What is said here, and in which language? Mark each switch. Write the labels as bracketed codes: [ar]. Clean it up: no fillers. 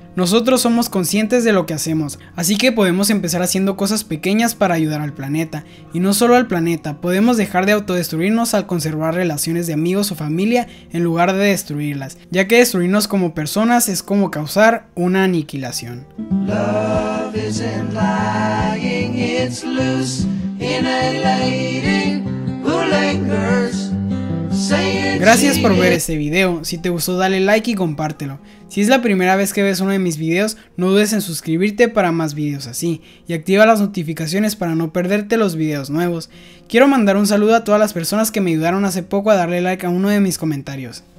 [es] Nosotros somos conscientes de lo que hacemos, así que podemos empezar haciendo cosas pequeñas para ayudar al planeta. Y no solo al planeta, podemos dejar de autodestruirnos al conservar relaciones de amigos o familia en lugar de destruirlas, ya que destruirnos como personas es como causar una aniquilación. [en] Love isn't lying, it's loose in a lady who lingers. [es] Gracias por ver este video, si te gustó dale like y compártelo. Si es la primera vez que ves uno de mis videos, no dudes en suscribirte para más videos así, y activa las notificaciones para no perderte los videos nuevos. Quiero mandar un saludo a todas las personas que me ayudaron hace poco a darle like a uno de mis comentarios.